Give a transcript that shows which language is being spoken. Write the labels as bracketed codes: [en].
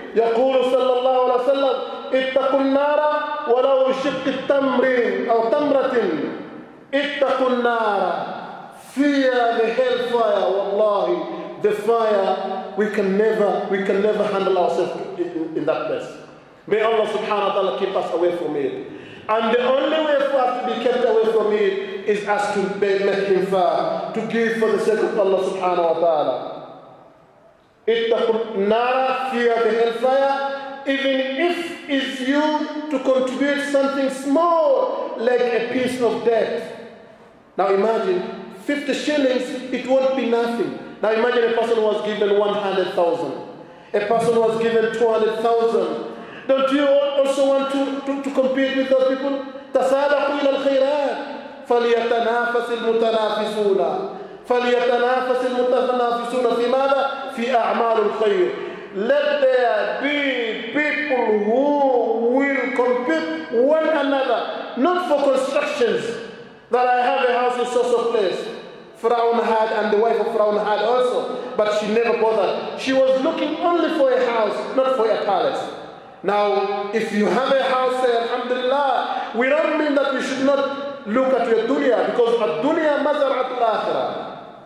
[ar] يقول صلى الله عليه وسلم اتقوا النار ولو شق التمر او تمره اتقوا النار [en] fear the hellfire. Wallahi, the fire, we can never handle ourselves in that place. May Allah subhanahu wa ta'ala keep us away from it. And the only way for us to be kept away from it is us to make infaq, to give for the sake of Allah subhanahu wa ta'ala. [ar] اتقوا النار [en] fear the hellfire. Even if it's you to contribute something small like a piece of debt. Now imagine 50 shillings, it won't be nothing. Now imagine a person was given 100,000, a person was given 200,000. Don't you also want to compete with those people? [ar] تصادقوا إلى الخيرات فليتنافس المتنافسون. فليتنافس المتنافسون في ماذا؟ في أعمال الخير. [en] Let there be people who will compete one another, not for constructions. That I have a house in so-so place. Pharaoh had, and the wife of Pharaoh had also, but she never bothered. She was looking only for a house, not for a palace. Now, if you have a house, say Alhamdulillah, we don't mean that you should not look at your dunya, because at [ar] dunya mazarat al-akhirah.